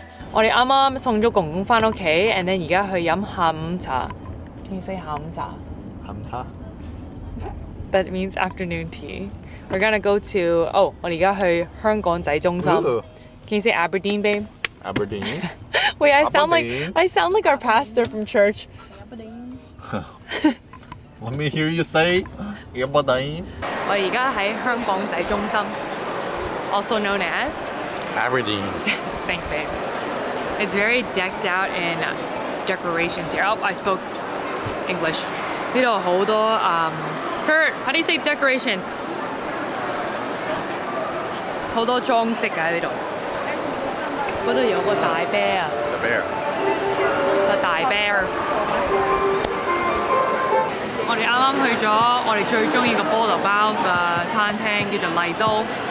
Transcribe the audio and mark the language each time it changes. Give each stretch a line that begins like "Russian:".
Cantonese: 我哋啱啱送咗公公翻屋企 ，
English: and then
Cantonese: 而家去飲下午茶。
English: Can you say
Cantonese: 下午茶？下午茶。
English: That means afternoon tea. We're gonna go to
Cantonese: 我哋而家去香港仔中心。
English: Can you say Aberdeen, babe? Aberdeen. Wait, I sound like our pastor from church. Aberdeen. Let me hear you say Aberdeen.
Cantonese: 我而家喺香港仔中心 ，
English: also known as Aberdeen. Thanks, babe. It's very decked out in decorations here. Oh, I spoke English. You know, hold on. Kurt, how do you say decorations? Hold on,
Cantonese: 装饰啊，呢度。嗰度有个大 bear.
English: The bear. The
Cantonese: 大
English: bear.
Cantonese: 我哋啱啱去咗我哋最中意嘅菠萝包嘅餐厅，叫做丽都。